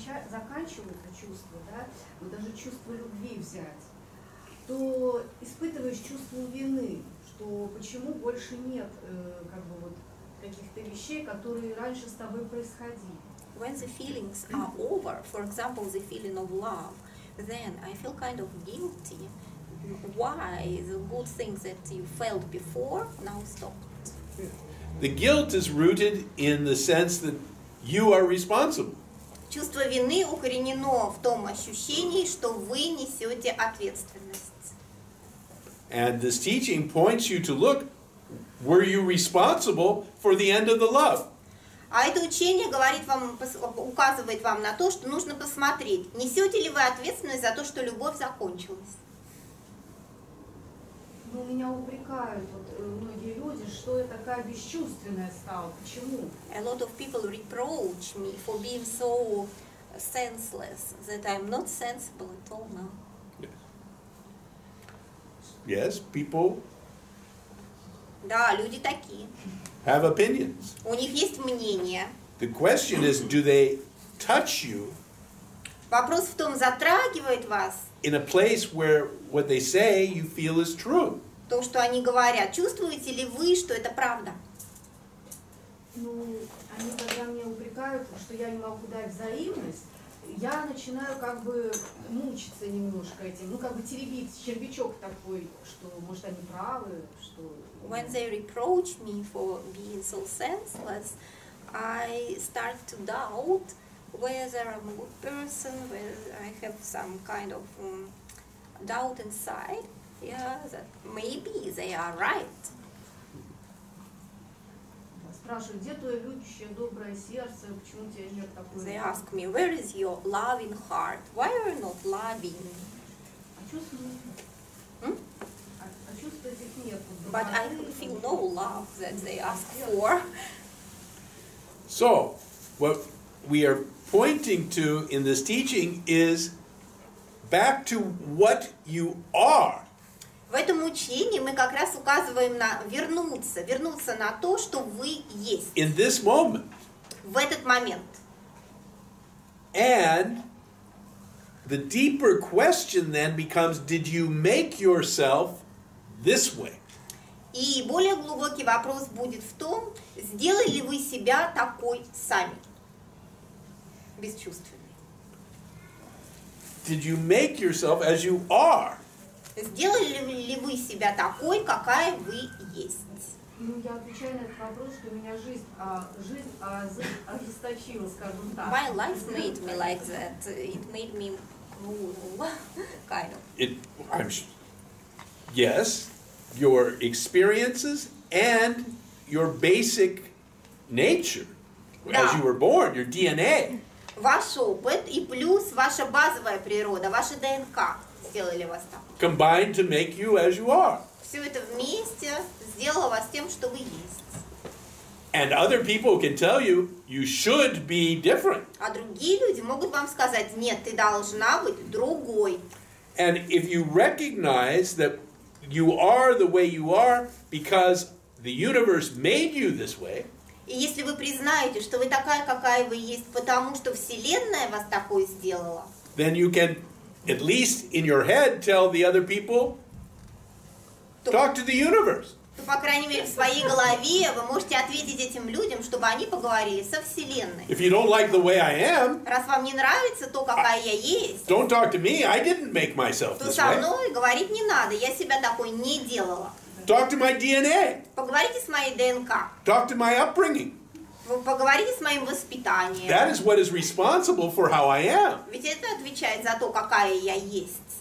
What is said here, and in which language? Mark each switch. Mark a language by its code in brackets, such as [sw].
[ru] Заканчивается чувство, да? Вот даже чувство любви взять. То испытываешь чувство вины, что почему больше нет как бы вот каких-то вещей, которые раньше с тобой происходили. [en] When the feelings are over, for example, the feeling of love, then I feel kind of guilty. Why the good things that you felt before now stopped? The guilt is rooted in the sense that you are responsible. [ru] Чувство вины укоренено в том ощущении, что вы несете ответственность. [en] And this teaching points you to look, were you responsible for the end of the love? [ru] А это учение говорит вам, указывает вам на то, что нужно посмотреть, несете ли вы ответственность за то, что любовь закончилась. Ну, меня упрекают вот, многие люди, что я такая бесчувственная стала. Почему? [en] A lot of people reproach me for being so senseless, that I'm not sensible at all now. Yes, people. [ru] Да, люди такие. [en] Have opinions. [ru] У них есть мнение. [en] The question is, do they touch you? [ru] Вопрос в том, затрагивает вас. [en] In a place where what they say you feel is true. [ru] То, что они говорят, чувствуете ли вы, что это правда? Ну, они когда меня упрекают, что я не могу дать взаимность. Я начинаю как бы мучиться немножко этим, ну как бы теребить червячок такой, что может они правы, что. [en] When they reproach me for being so senseless, I start to doubt whether I'm a good person, whether I have some kind of doubt inside. Yeah, that maybe they are right. [ru] Спрашивают, где твое любящее доброе сердце, почему у тебя нет такого? [en] They ask me, where is your loving heart? Why are you not loving? [ru] А чувств этих нет. [en] But I feel no love that they ask for. So, what we are pointing to in this teaching is back to what you are. [ru] В этом учении мы как раз указываем на вернуться на то, что вы есть. [en] In this moment. [ru] В этот момент. [en] And the deeper question then becomes, did you make yourself this way? [ru] И более глубокий вопрос будет в том, сделали ли вы себя такой сами, бесчувственной. [en] Did you make yourself as you are? [ru] Сделали ли вы себя такой, какая вы есть? Ну, я отвечаю на этот вопрос, что у меня жизнь ожесточила, скажем так. [en] My life made me like that. It made me cruel, kind of. Yes, your experiences and your basic nature, [ru] да. [en] As you were born, your DNA. [ru] Ваш опыт и плюс ваша базовая природа, ваша ДНК. Сделали вас так. [en] Combined to make you as you are. [ru] Все это вместе сделало вас тем, что вы есть. [en] And other people can tell you, you should be different. [ru] А другие люди могут вам сказать, нет, ты должна быть другой. [en] And if you recognize that you are the way you are because the universe made you this way. [ru] И если вы признаете, что вы такая, какая вы есть, потому что Вселенная вас такой сделала. [en] Then you can at least in your head tell the other people talk to the universe. [ru] То, по крайней мере, в своей голове вы можете ответить этим людям, чтобы они поговорили со Вселенной. [en] If you don't like the way I am, [ru] раз вам не нравится то, какая я есть, [en] don't talk to me, I didn't make myself this way. [ru] То со мной говорить не надо, я себя такой не делала. [en] Talk to my DNA. [ru] Поговорите с моей ДНК. [en] Talk to my upbringing. [ru] В поговорите с моим воспитанием. [en] That is what is responsible for how I am. [ru] Ведь это отвечает за то, какая я есть.